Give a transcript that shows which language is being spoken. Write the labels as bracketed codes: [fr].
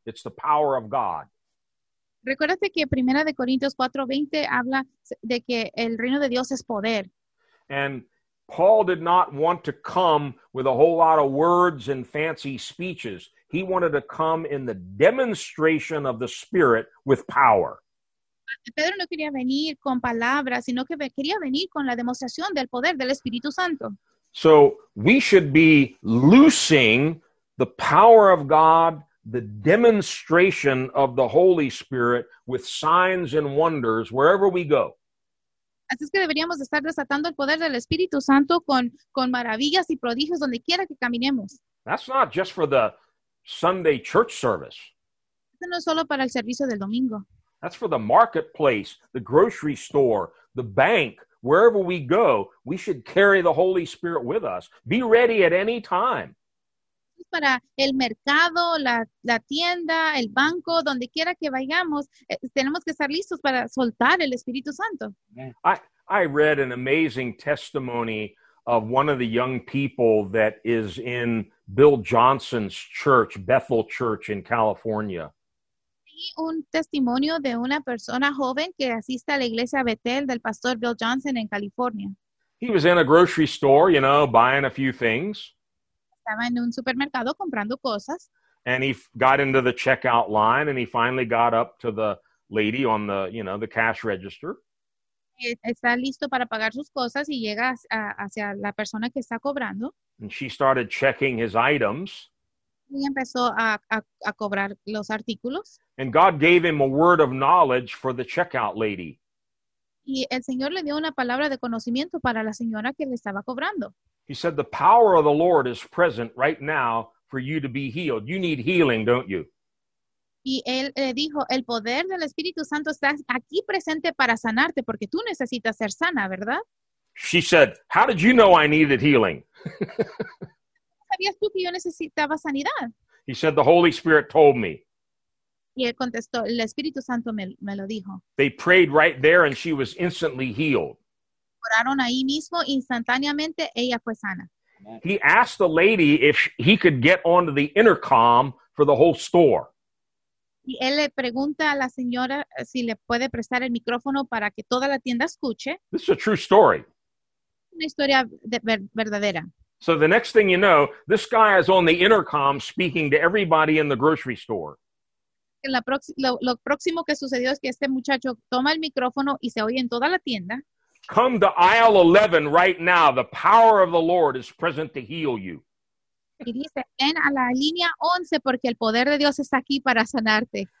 [en] It's the power of God. [es] Recuérdate que 1 Corintios 4, 20 habla de que el reino de Dios es poder. [en] And Paul did not want to come with a whole lot of words and fancy speeches. He wanted to come in the demonstration of the Spirit with power. [es] Pedro no quería venir con palabras, sino que quería venir con la demostración del poder del Espíritu Santo. [en] So we should be loosing the power of God, the demonstration of the Holy Spirit with signs and wonders wherever we go. [es] Así es que deberíamos estar desatando el poder del Espíritu Santo con maravillas y prodigios donde quiera que caminemos. [en] That's not just for the Sunday church service. [es] Eso no es solo para el servicio del domingo. [en] That's for the marketplace, the grocery store, the bank. Wherever we go, we should carry the Holy Spirit with us. Be ready at any time. [es] Es para el mercado, la tienda, el banco, donde quiera que vayamos, tenemos que estar listos para soltar el Espíritu Santo. [en] I read an amazing testimony of one of the young people that is in Bill Johnson's church, Bethel Church in California. [es] Un testimonio de una persona joven que asiste a la iglesia Bethel del pastor Bill Johnson en California. [en] He was in a grocery store, you know, buying a few things. [es] Estaba en un supermercado comprando cosas. [en] And he got into the checkout line and he finally got up to the lady on the, you know, the cash register. [es] Está listo para pagar sus cosas y llega hacia la persona que está cobrando. [en] And she started checking his items. [es] Y empezó a cobrar los artículos. [en] And God gave him a word of knowledge for the checkout lady. [es] Y el Señor le dio una palabra de conocimiento para la señora que le estaba cobrando. [en] He said, the power of the Lord is present right now for you to be healed. You need healing, don't you? [es] Y él le dijo, el poder del Espíritu Santo está aquí presente para sanarte porque tú necesitas ser sana, ¿verdad? [en] She said, how did you know I needed healing? [es] ¿Sabías tú que yo necesitaba sanidad? [en] He said, the Holy Spirit told me. [es] Y él contestó, el Espíritu Santo me lo dijo. [en] They prayed right there and she was instantly healed. [es] Oraron ahí mismo, instantáneamente, ella fue sana. [en] He asked the lady if he could get onto the intercom for the whole store. [es] Y él le pregunta a la señora si le puede prestar el micrófono para que toda la tienda escuche. [en] This is a true story. [es] Una historia verdadera. [en] So the next thing you know, this guy is on the intercom speaking to everybody in the grocery store. [es] Lo próximo que sucedió es que este muchacho toma el micrófono y se oye en toda la tienda. [en] Come to aisle 11 right now. The power of the Lord is present to heal you. [es] Y dice, ven a la línea 11 porque el poder de Dios está aquí para sanarte.